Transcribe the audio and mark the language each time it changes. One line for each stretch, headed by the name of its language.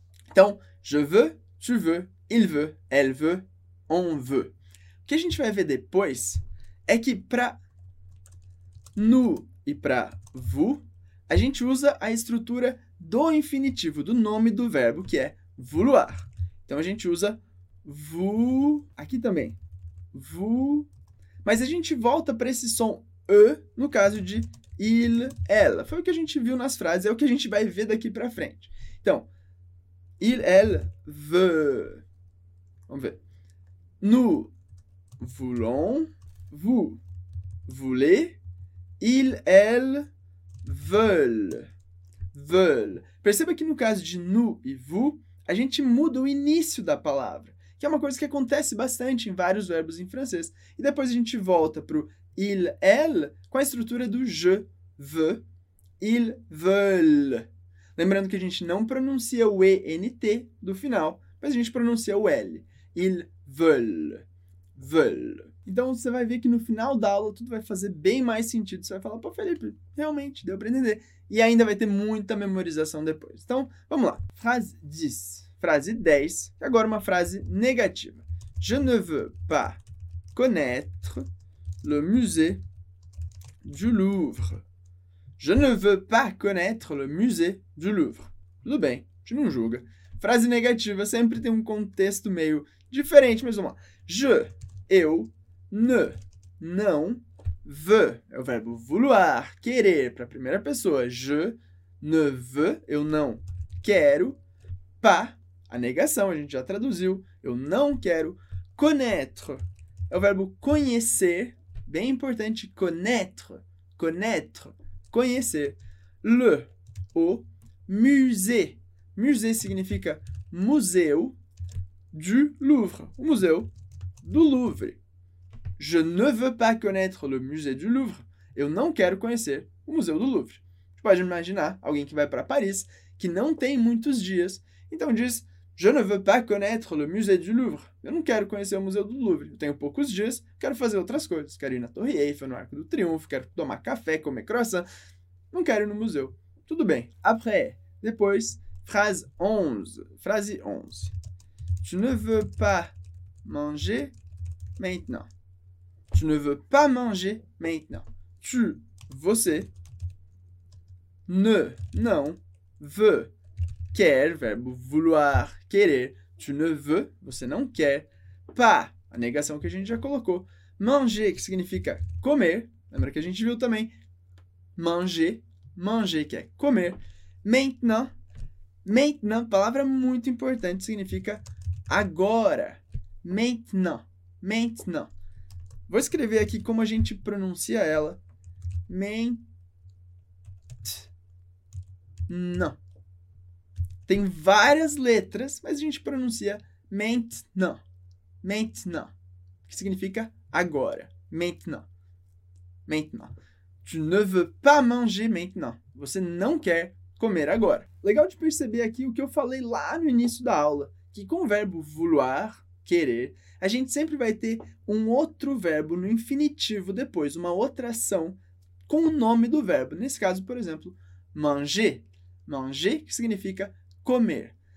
Portuguese: Então,
French: je veux, tu veux, il veut, elle veut, on veut.
Portuguese: O que a gente vai ver depois é que para nous e para vous, a gente usa a estrutura do infinitivo, do nome do verbo, que é vouloir. Então a gente usa vous aqui também. Vous. Mas a gente volta para esse som e no caso de il, ela. Foi o que a gente viu nas frases, é o que a gente vai ver daqui para frente. Então, il, elle, veut. Vamos ver.
French: Nous voulons, vous voulez, il, elle, veulent. Veulent.
Portuguese: Perceba que no caso de nous e vous, a gente muda o início da palavra, que é uma coisa que acontece bastante em vários verbos em francês. E depois a gente volta para o il, elle, com a estrutura do je.
French: Veux, ils veulent.
Portuguese: Lembrando que a gente não pronuncia o ENT do final, mas a gente pronuncia o L.
French: Ils veulent. Veulent.
Portuguese: Então você vai ver que no final da aula tudo vai fazer bem mais sentido. Você vai falar, pô, Felipe, realmente deu para entender. E ainda vai ter muita memorização depois. Então vamos lá. Frase 10. Frase 10. Agora uma frase negativa.
French: Je ne veux pas connaître le musée du Louvre. Je ne veux pas connaître le musée du Louvre.
Portuguese: Tudo bem, tu não julga. Frase negativa sempre tem um contexto meio diferente, mas vamos lá. Je, eu, ne, não, veux, é o verbo vouloir, querer, para a primeira pessoa.
French: Je ne veux,
Portuguese: eu não quero. Pas, a negação, a gente já traduziu, eu não quero. Connaître, é o verbo conhecer, bem importante, connaître, connaître. Conhecer. Le, o, musée. Musée significa museu du Louvre. O museu do Louvre.
French: Je ne veux pas connaître le musée du Louvre.
Portuguese: Eu não quero conhecer o museu do Louvre. Você pode imaginar alguém que vai para Paris, que não tem muitos dias. Então diz,
French: je ne veux pas connaître le musée du Louvre.
Portuguese: Eu não quero conhecer o museu do Louvre. Eu tenho poucos dias, quero fazer outras coisas. Quero ir na Torre Eiffel, no Arco do Triunfo, quero tomar café, comer croissant. Não quero ir no museu. Tudo bem. Après. Depois. Frase 11. Frase 11.
French: Tu ne veux pas manger maintenant. Tu ne veux pas manger maintenant.
Portuguese: Tu, você, ne, não, veut, quer, verbo vouloir, querer.
French: Tu ne veux,
Portuguese: você não quer. Pas, a negação que a gente já colocou. Manger, que significa comer. Lembra que a gente viu também. Manger. Manger, que é comer. Maintenant. Maintenant, palavra muito importante, significa agora. Maintenant. Maintenant. Vou escrever aqui como a gente pronuncia ela. Maintenant. Tem várias letras, mas a gente pronuncia maintenant. Maintenant. Que significa agora. Maintenant. Maintenant.
French: Tu ne veux pas manger maintenant.
Portuguese: Você não quer comer agora. Legal de perceber aqui o que eu falei lá no início da aula, que com o verbo vouloir, querer, a gente sempre vai ter um outro verbo no infinitivo depois, uma outra ação com o nome do verbo. Nesse caso, por exemplo, manger. Manger, que significa comer.